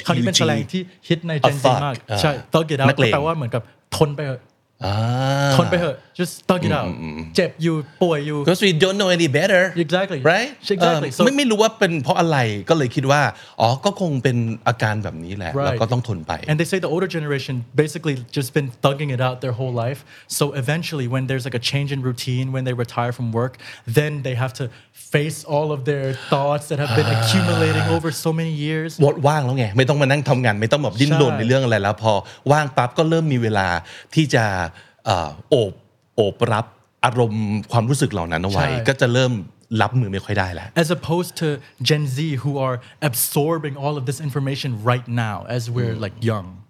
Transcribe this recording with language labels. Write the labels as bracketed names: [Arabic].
[Thai] คำนี้เป็นแสดงที่ฮิตใน Gen Z มากใช่ thug it out แปลว่าเหมือนกับทนไปเถอะทนไปเถอะ [English] just thug it out [Thai] เจ็บอยู่ป่วยอยู่ [English] because we don't know any better exactly right exactly [Thai] ไม่รู้ว่าเป็นเพราะอะไรก็เลยคิดว่าอ๋อก็คงเป็นอาการแบบนี้แหละแล้วก็ต้องทนไป [English] and they say the older generation basically just been thugging it out their whole life so eventually when there's like a change in routine when they retire from work then they have toface all of their thoughts that have been accumulating over so many years what [Thai] ว่างแล้วไงไม่ต้องมานั่งทำงานไม่ต้องแบบดิ้นรนในเรื่องอะไรแล้วพอว่างปั๊บก็เริ่มมีเวลาที่จะโอบรับอารมณ์ความรู้สึกเหล่านั้นเอาไว้ก็จะเริ่มรับมือไม่ค่อยได้แล้ว [English] as opposed to Gen Z who are absorbing all of this information right now as we're like young